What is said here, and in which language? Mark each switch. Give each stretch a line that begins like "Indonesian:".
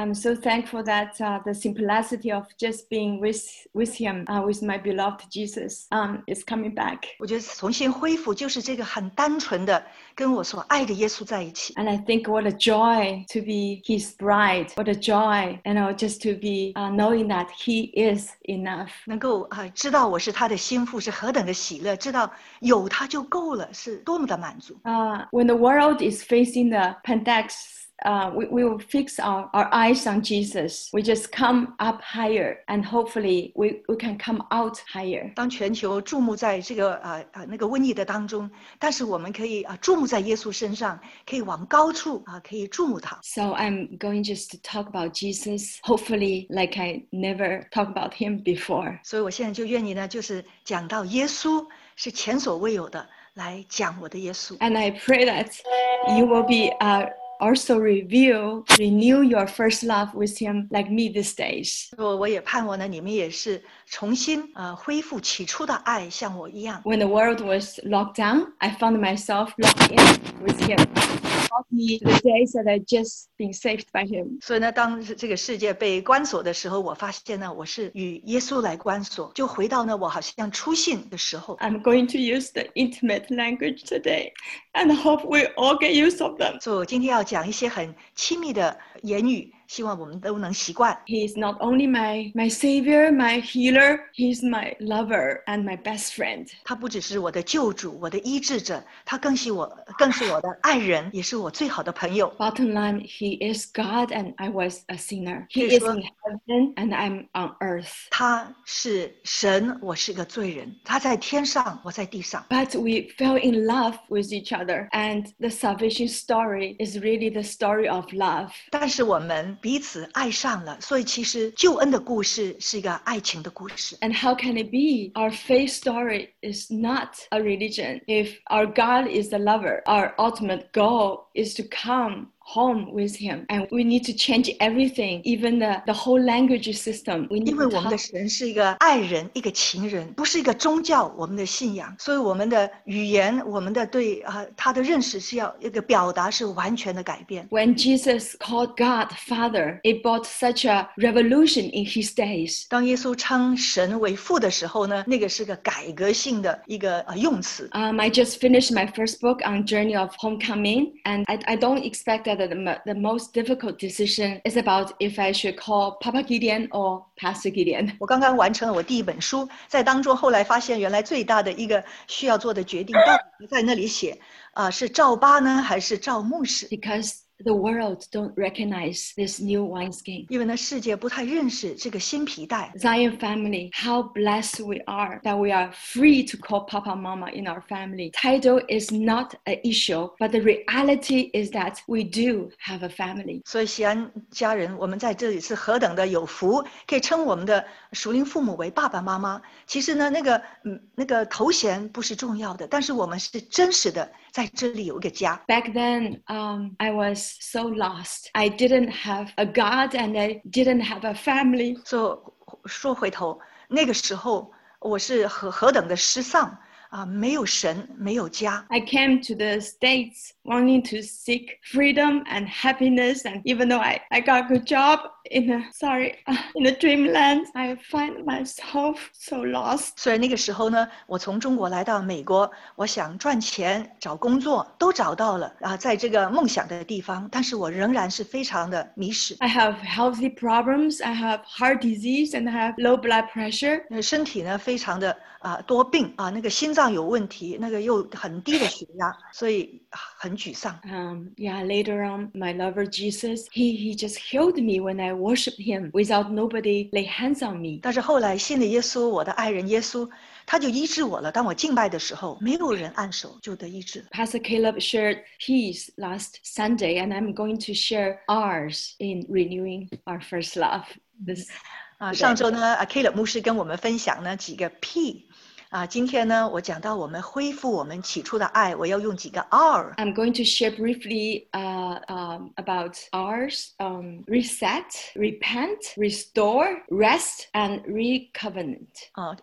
English: I'm so thankful that the simplicity of just being with him, with my beloved Jesus, is coming back.
Chinese: 我觉得重新恢复就是这个很单纯的跟我所爱的耶稣在一起。
English: And I think what a joy to be his bride. What a joy, you know, just to be knowing that he is enough.
Chinese: 能够知道我是他的心腹是何等的喜乐，知道有他就够了，是多么的满足。
English: When the world is facing the pandemic, we will fix our eyes on Jesus. We just come up higher, and hopefully we can come out higher.
Chinese: 当全球注目在这个那个瘟疫的当中，但是我们可以注目在耶稣身上，可以往高处可以注目他。
English: So I'm going just to talk about Jesus. Hopefully, like I never talk about him before.
Chinese: 所以我现在就愿意呢，就是讲到耶稣是前所未有的。来讲我的耶稣。
English: And I pray that you will be also renew your first love with him like me these days.
Chinese: 我也盼望呢，你们也是重新恢复起初的爱，像我一样。
English: When the world was locked down, I found myself locked in with him. The days that I just been saved by him.
Chinese: 所以呢，当这个世界被关锁的时候，我发现呢，我是与耶稣来关锁，就回到呢，我好像初信的时候。
English: I'm going to use the intimate language today, and hope we all get use of them.
Chinese: 所以我今天要讲一些很亲密的言语，希望我们都能习惯。
English: He is not only my savior, my healer. He's my lover and my best friend.
Chinese: 他不只是我的救主，我的医治者，他更是我的爱人，也是我最好的朋友。
English: Bottom line, he is God and I was a sinner. He is in heaven and I'm on earth.
Chinese: 他是神，我是一个罪人。他在天上，我在地上。
English: But we fell in love with each other, and the salvation story is really the story of love.
Chinese: 但是我们彼此爱上了，所以其实救恩的故事是一个爱情的故事。
English: And how can it be our faith story is not a religion if our God is the lover, our ultimate goal is to come home with him. And we need to change everything, even the whole language system. We need
Chinese: 因为我们的神是一个爱人，一个情人，不是一个宗教，我们的信仰。所以我们的语言，我们的对他的认识是要一个表达是完全的改变。
English: When Jesus called God Father, it brought such a revolution in his days.
Chinese: 当耶稣称神为父的时候呢，那个是个改革性的一个用词。
English: I just finished my first book on Journey of Homecoming, and I don't expect that the most difficult decision is about if I should call Papa Gideon or Pastor Gideon.
Chinese: 我刚刚完成了我第一本书，在当中后来发现，原来最大的一个需要做的决定，到底在那里写，是赵巴呢，还是赵牧师？
English: Because the world don't recognize this new wineskin.
Chinese: 因为呢，世界不太认识这个新皮带。
English: Zion family, how blessed we are that we are free to call Papa Mama in our family. Title is not an issue, but the reality is that we do have a family.
Chinese: 所以西安家人，我们在这里是何等的有福，可以称我们的属灵父母为爸爸妈妈。其实呢，那个头衔不是重要的，但是我们是真实的在这里有一个家。
English: Back then, I was so lost. I didn't have a God and I didn't have a family.
Chinese: So, 说回头，那个时候我是何等的失丧。没有神，没有家。
English: I came to the States wanting to seek freedom and happiness, and even though I got a good job in a dreamland, I find myself so lost.
Chinese: 虽然那个时候呢，我从中国来到美国，我想赚钱、找工作都找到了，在这个梦想的地方，但是我仍然是非常的迷失。
English: I have healthy problems, I have heart disease, and I have low blood pressure.
Chinese: 身体呢，非常的多病那个心脏有问题，那个又很低的血压，所以很沮丧。
English: Yeah, later on, my lover Jesus, he just healed me when I worshiped him without nobody lay hands on me.
Chinese: 但是后来信了耶稣，我的爱人耶稣，他就医治我了。当我敬拜的时候，没有人按手就得医治。
English: Pastor Caleb shared his last Sunday, and I'm going to share ours in renewing our first love. This.
Chinese: 上周呢 ，Caleb 牧师跟我们分享呢几个 P， 今天呢我讲到我们恢复我们起初的爱，我要用几个 R。
English: I'm going to share briefly about R's: reset, repent, restore, rest, and recovenant.